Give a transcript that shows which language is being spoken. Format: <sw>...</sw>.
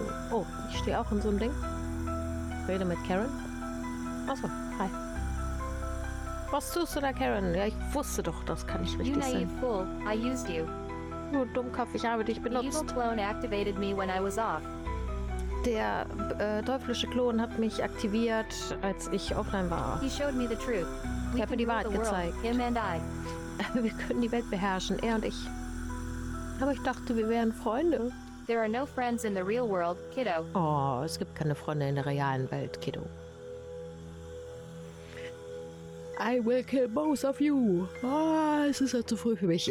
<de>Oh, ich stehe auch in so einem Ding. Rede mit Karen. Achso, hi. Was tust du da, Karen? Ja, ich wusste doch, das kann nicht richtig sein.</de> <en>You naive fool, I used you.</en> <de>Du Dummkopf, ich habe dich benutzt.</de> <en>The evil clone activated me when I was off.</en> <de>Der teuflische Klon hat mich aktiviert, als ich offline war.</de> <en>He showed me the truth.</en> <de>Ich habe mir die Wahrheit gezeigt.</de> <en>Him and I.</en> <de>Wir können die Welt beherrschen, er und ich. Aber ich dachte, wir wären Freunde.</de> <en>There are no friends in the real world, kiddo.</en> <de>Oh, es gibt keine Freunde in der realen Welt, kiddo.</de> <en>I will kill both of you.</en> <de>Ah, oh, es ist ja zu früh für mich.</de>